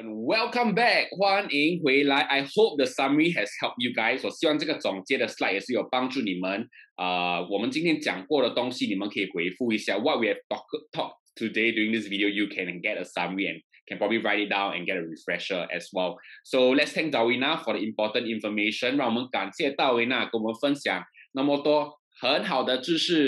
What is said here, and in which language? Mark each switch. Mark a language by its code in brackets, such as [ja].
[en] Welcome back, [zh] 欢迎回来。 [en] I hope the summary has helped you guys. [zh] 我希望这个总结的 slide 也是有帮助你们。我们今天讲过的东西，你们可以回复一下。 [en] What we have talked today during this video, you can get a summary and can probably write it down and get a refresher as well. So let's thank 大维纳 for the important information. [zh] 让我们感谢大维纳跟我们分享那么多很好的知识。